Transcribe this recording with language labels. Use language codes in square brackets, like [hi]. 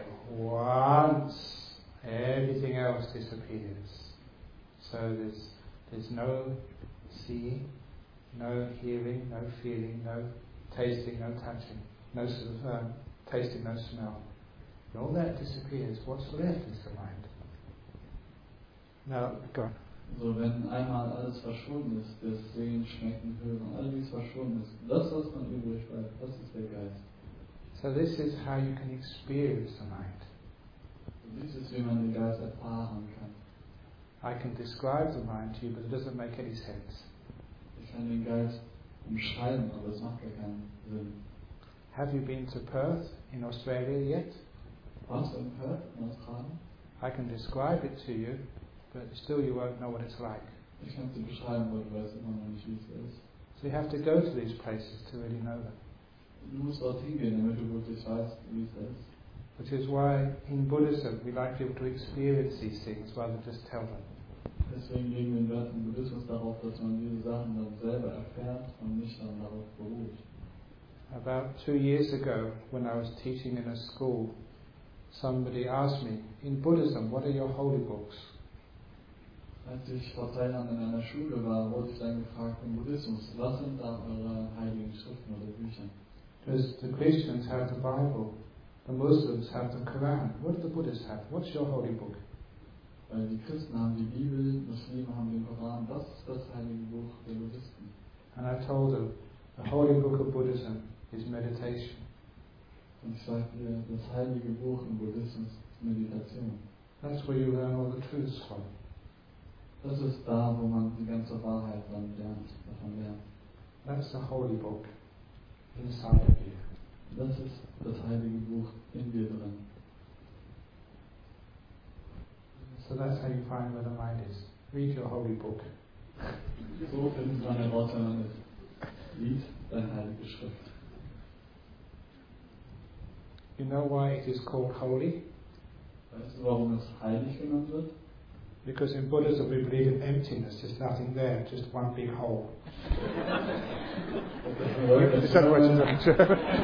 [en] Once everything else disappears, so there's no seeing, no hearing, no feeling, no tasting, no touching, no tasting, no smell. And all that disappears. What's left is the mind. Now, go on. [de] So, wenn einmal alles verschwunden ist, das Sehen, Schmecken, Hören, all dies verschwunden ist, das, was man übrig bleibt, das ist der Geist. [en] So, this is how you can experience the mind. This is [de] wie man den Geist erfahren kann. [en] I can describe the mind to you, but it doesn't make any sense. [de] Kann den Geist umschreiben, aber es macht gar keinen Sinn. [en] Have you been to Perth in Australia yet? [de] Warst du in Perth in Australien? [en] I can describe it to you, but still you won't know what it's like. [de] Ich kann es dir beschreiben, aber du weißt immer noch nicht, wie es ist. [en] So you have to go to these places to really know them. [de] Du musst dorthin gehen, damit du wirklich weißt, wie es ist. [en] Which is why in Buddhism we like people to experience these things rather than just tell them. [de] Deswegen legen wir den Wert im Buddhismus darauf, dass man diese Sachen dann selber erfährt und nicht dann darauf beruht. [en] About 2 years ago, when I was teaching in a school, somebody asked me, in Buddhism, what are your holy books? [de] Als ich vor 2 Jahren in einer Schule war, wurde ich dann gefragt, im Buddhismus, was sind da eure heiligen Schriften oder Bücher? [en] Because the Christians have the Bible, the Muslims have the Quran. What do the Buddhists have? What's your holy book? [de] Weil die Christen haben die Bibel, Muslime haben den Koran, das ist das heilige Buch der Buddhisten. [en] And I told them, the holy book of Buddhism is meditation. [de] Und ich sagte dir, das heilige Buch im Buddhismus ist Meditation. [en] That's where you learn all the truths from. [de] Das ist da, wo man die ganze Wahrheit dann lernt, davon lernt. [en] That's the holy book inside of you. [de] Das ist das heilige Buch in dir drin. [en] So that's how you find where the mind is. Read your holy book. [de] So finden seine Worte Lied dein heilige Schrift. [en] You know why it is called holy? [de] Weißt du, warum es heilig genannt wird? [en] Because in Buddhism we believe in emptiness, there's nothing there, just one big hole. Is that what you're talking about?